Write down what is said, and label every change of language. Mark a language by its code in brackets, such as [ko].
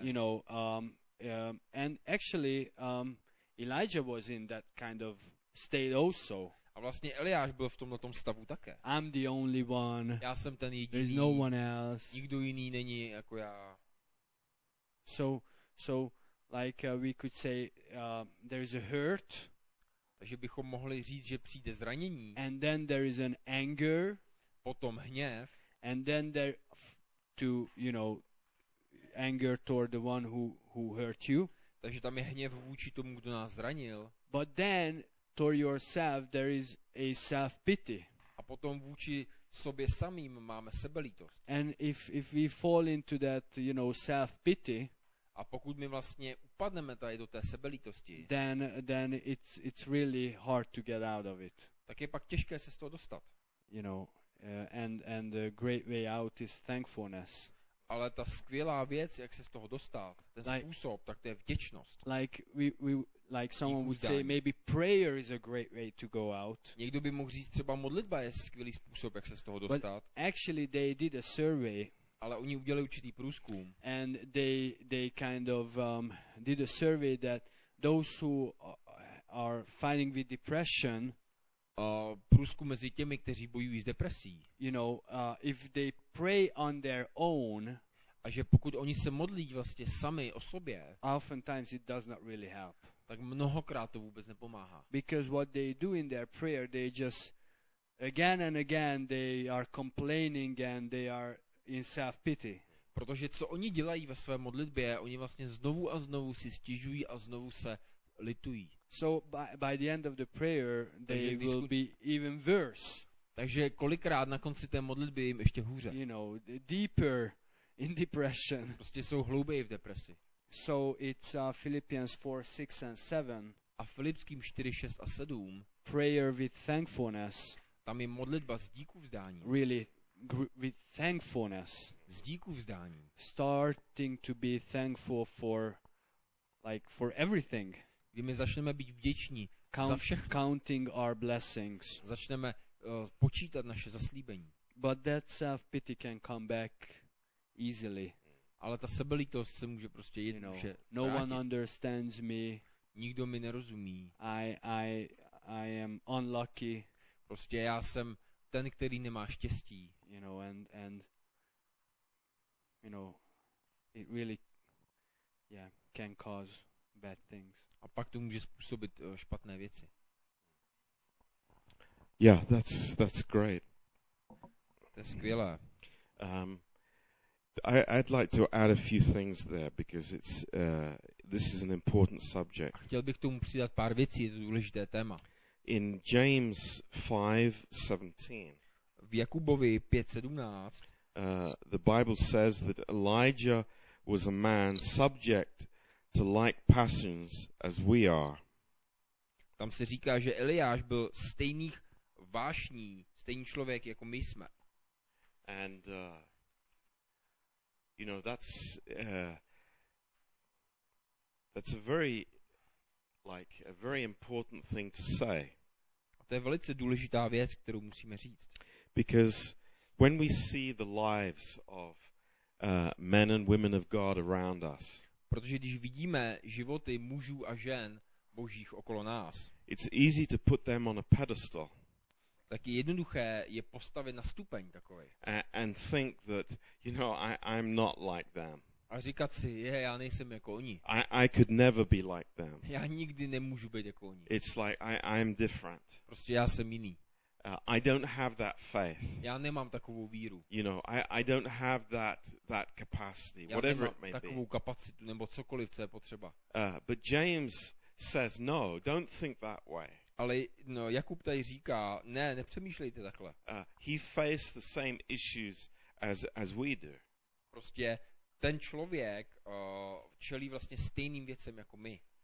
[en] You know, and actually, Elijah was in that kind of state also. [cs] A vlastně Eliáš byl v tomhletom stavu také. [en] I'm the only one. [cs] Já jsem ten jediný. [en] There's no one else. [cs] Nikdo jiný není jako já. [en] So like we could say there is a hurt. [cs] Takže bychom mohli říct, že přijde zranění. [en] And then there is an anger. [cs] Potom hněv. [en] And then there to, you know, anger toward the one who hurt you. [cs] Takže tam je hněv vůči tomu, kdo nás zranil. [en] But then toward yourself there is a self-pity. [cs] A potom vůči sobě samým máme sebelítost. [en] And if we fall into that, you know, self-pity, [cs] a pokud my vlastně upadneme tady do té sebelítosti, [en] then it's really hard to get out of it. [cs] Tak je pak těžké se z toho dostat. [en] You know, and the great way out is thankfulness. [cs] Ale ta skvělá věc, jak se z toho dostat, ten like, způsob, tak to je vděčnost. [en] Like like someone would say, maybe prayer is a great way to go out. [cs] Někdo by mohl říct, třeba modlitba je skvělý způsob, jak se z toho dostat. [en] But actually they did a survey. [cs] Ale oni udělali určitý průzkum. [en] And they kind of did a survey that those who are fighting with depression, [cs] průzkum mezi těmi, kteří bojují s depresí. [en] You know, if they pray on their own, [cs] a že pokud oni se modlí vlastně sami o sobě, [en] oftentimes it does not really help. [cs] Tak mnohokrát to vůbec nepomáhá. [en] Because what they do in their prayer, they just again and again they are complaining and they are in self-pity. [cs] Protože co oni dělají ve své modlitbě, oni vlastně znovu a znovu si stěžují a znovu se litují. [en] So by the end of the prayer they will be even worse. [cs] Takže kolikrát na konci té modlitby jim ještě hůře. [en] You know, deeper in depression. [cs] Prostě jsou hlouběji v depresi. [en] So it's Philippians 4, 6 and 7. [cs] A Filipským 4, 6 a 7. [en] Prayer with thankfulness. [cs] Tam je modlitba s díku vzdáním. [en] Really with thankfulness. [cs] S díku vzdáním. [en] Starting to be thankful for like for everything. [cs] Kdy my začneme být vděční za všechno. [en] Counting our blessings. [cs] Začneme počítat naše zaslíbení. [en] But that self-pity can come back easily. [cs] Ale ta sebelítost se může prostě jednou, [en] you know, [cs] že no vrátit. [en] One understands me. [cs] Nikdo mi nerozumí. [en] I am unlucky. [cs] Prostě já jsem ten, který nemá štěstí. [en] You know, and you know, it really, yeah, can cause bad things. [cs] A pak to může způsobit špatné věci. [en] Yeah, that's great. [cs] To je skvělé. [en] I'd like to add a few things there because it's this is an important subject. [cs] Chtěl bych tomu přidat pár věcí, je to důležité téma. [en] In James 5:17. [cs] V Jakubovi 5:17. [en] The Bible says that Elijah was a man subject to like passions as we are. [cs] Tam se říká, že Eliáš byl stejných vášní, stejný člověk jako my jsme. [en] And you know, that's a very important thing to say. [cs] To je velice důležitá věc, kterou musíme říct. [en] Because When we see the lives of men and women of God around us. [cs] Protože když vidíme životy mužů a žen božích okolo nás. [en] It's easy to put them on a pedestal. [cs] Tak je jednoduché je postavit na stupeň takový. [en] And think that, you know, I'm not like them. [cs] A říkat si, je, já nejsem jako oni. [en] I could never be like them. [cs] Já nikdy nemůžu být jako oni. [en] It's like I'm different. [cs] Prostě já jsem jiný. [en] I don't have that faith. [cs] Já nemám takovou víru. [en] You know, I don't have that capacity, [cs] já [en] whatever it may be. [cs] Já nemám takovou kapacitu nebo cokoliv, co je potřeba. [en] But James says no, don't think that way. [cs] Ale no, Jakub tady říká, ne, nepřemýšlejte takhle. [en] He faced the same issues as we do. [cs] Prostě ten člověk čelí vlastně stejným věcem jako my.